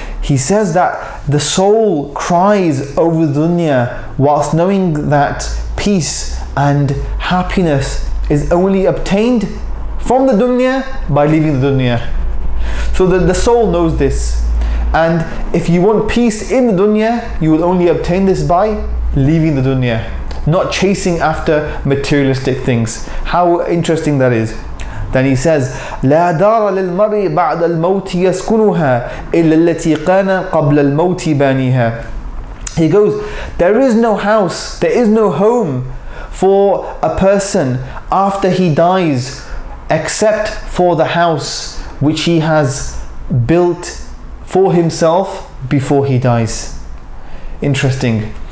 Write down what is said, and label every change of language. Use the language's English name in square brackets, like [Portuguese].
[English] He says that the soul cries over dunya whilst knowing that peace and happiness is only obtained from the dunya by leaving the dunya. So the soul knows this. And if you want peace in the dunya, you will only obtain this by leaving the dunya, not chasing after materialistic things. How interesting that is. Then he says, [Arabic] لَا دَارَ لِلْمَرْءِ بَعْدَ الْمَوْتِ يَسْكُنُهَا إِلَّا الَّتِي قَانَ قَبْلَ الْمَوْتِ بَانِيهَا. [English] He goes, there is no house, there is no home for a person after he dies except for the house which he has built for himself before he dies. Interesting.